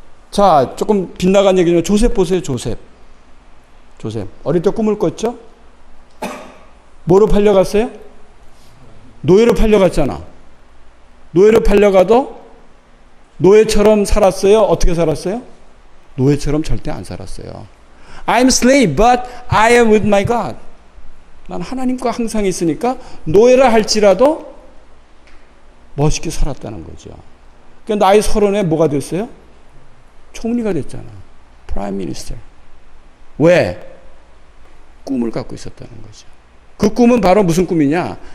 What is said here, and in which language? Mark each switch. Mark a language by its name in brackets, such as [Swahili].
[Korean] 자, 조금 빗나간 얘기죠. 조셉 보세요. 조셉. 조셉. 어릴 때 꿈을 꿨죠? 뭐로 팔려갔어요? 노예로 팔려갔잖아. 노예로 팔려가도 노예처럼 살았어요? 어떻게 살았어요? 노예처럼 절대 안 살았어요. [English] I'm slave, but I am with my God. [Korean] 난 하나님과 항상 있으니까 노예라 할지라도 멋있게 살았다는 거죠. 그러니까 나이 서른에 뭐가 됐어요? 총리가 됐잖아. [English] Prime Minister. [Korean] 왜? 꿈을 갖고 있었다는 거죠. 그 꿈은 바로 무슨 꿈이냐?